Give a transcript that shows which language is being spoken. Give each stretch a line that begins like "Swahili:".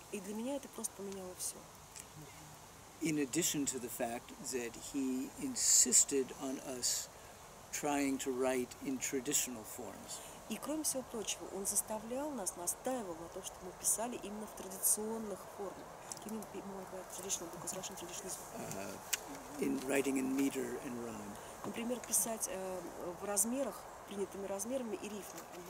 Russian: И для меня это просто поменяло все.
English: In addition to the fact that he insisted on us trying to write in traditional forms.
Russian: И кроме всего прочего, он заставлял нас, настаивал на том, что мы писали именно в традиционных формах.
English: Can you be more about traditional, because Russian traditional form? In writing in meter and rhyme.
Russian: Например, писать в размерах, принятыми размерами и рифмы.